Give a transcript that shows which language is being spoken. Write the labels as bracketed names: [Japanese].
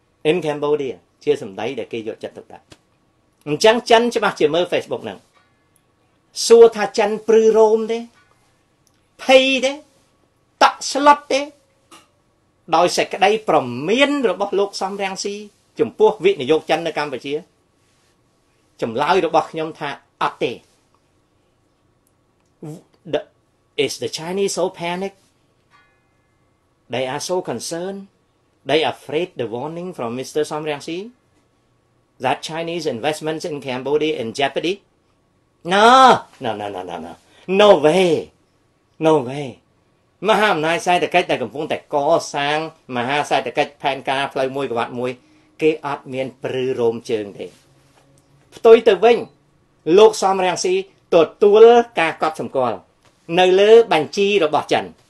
[Khmer] in Cambodia ជាសម្ដីដែលគេយកចិត្តទុកដាក់អញ្ចឹងចិនច្បាស់ជាមើល Facebook ហ្នឹងសួរថាចិនព្រឺរោមទេភ័យទេតក់ស្លុតទេដោយសេចក្តីប្រមាណរបស់លោកសំរងស៊ីចំពោះវិនិយោគចិននៅកម្ពុជាចម្លើយរបស់ខ្ញុំថាអត់ទេ [English] Is the Chinese so panic? They are so concerned. They are afraid the warning from Mr. Sam Rangsi that Chinese investments in Cambodia in jeopardy? No! No, no, no, no, no. No way. No way. [Khmer] មហាអំណាចសេដ្ឋកិច្ចដែលកំពុងតែកសាងមហាសេដ្ឋកិច្ចផែនការផ្លូវមួយក្បាត់មួយគេអត់មានព្រឺរោមជើងទេផ្ទុយទៅវិញលោកសំរងស៊ីទទួលការកត់សម្គាល់នៅលើបញ្ជីរបស់ចិន